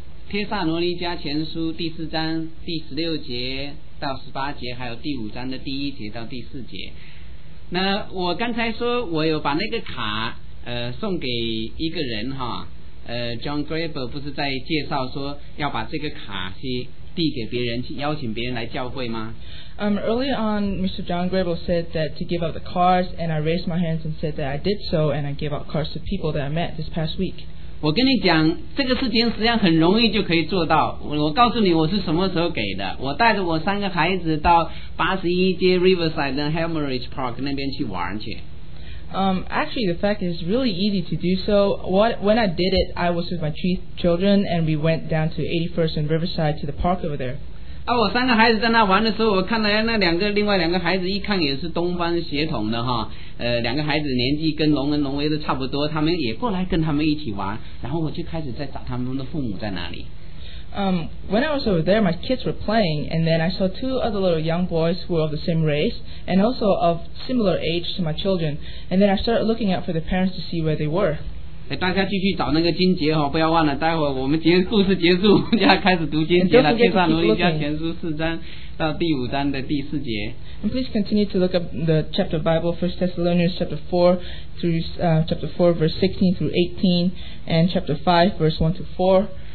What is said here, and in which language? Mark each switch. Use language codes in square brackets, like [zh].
[zh] 帖撒罗尼迦前书第四章第十六节到十八节，还有第五章的第一节到第四节。那我刚才说我有把那个卡送给一个人哈，John Graber 不是在介绍说要把这个卡去递给别人，去邀请别人来教会吗？ [en] Early on, Mr. John Grable said that to give out the cards, and I raised my hands and said that I did so, and I gave out cards to people that I met this past week. [zh] 我跟你讲，这个事情实际上很容易就可以做到。我告诉你，我是什么时候给的。我带着我三个孩子到81街 Riverside 跟 Hemorrhage Park 那边去玩去。 [en] Actually, the fact is really easy to do so. When I did it, I was with my three children, and we went down to 81st and Riverside to the park over there. [zh] 我三个孩子在那玩的时候，我看到那另外两个孩子一看也是东方血统的哈，两个孩子年纪跟龙跟龙威都差不多，他们也过来跟他们一起玩，然后我就开始在找他们的父母在哪里。 [en] When I was over there, my kids were playing, and then I saw two other little young boys who were of the same race and also of similar age to my children, and then I started looking out for the parents to see where they were. [zh] 大家继续找那个经节哦，不要忘了，待会儿我们结故事结束，我们就要开始读经节了。帖撒罗尼迦前书四章到第五章的第四节。 [en] And please continue to look up the chapter Bible, First Thessalonians chapter 4 through chapter 4 verse 16 through 18, and chapter 5 verse 1 to 4.